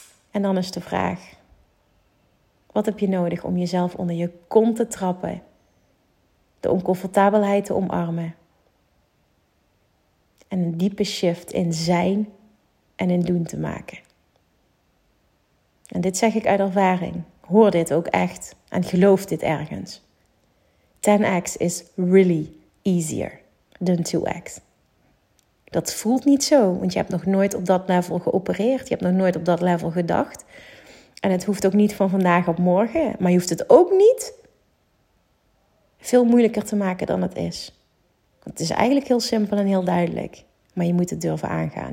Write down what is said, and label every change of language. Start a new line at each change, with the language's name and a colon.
Dutch: En dan is de vraag: wat heb je nodig om jezelf onder je kont te trappen? De oncomfortabelheid te omarmen? En een diepe shift in zijn en in doen te maken. En dit zeg ik uit ervaring. Hoor dit ook echt en geloof dit ergens.
English: 10x is really easier than 2x.
Dutch: Dat voelt niet zo, want je hebt nog nooit op dat level geopereerd. Je hebt nog nooit op dat level gedacht. En het hoeft ook niet van vandaag op morgen. Maar je hoeft het ook niet veel moeilijker te maken dan het is. Want het is eigenlijk heel simpel en heel duidelijk. Maar je moet het durven aangaan.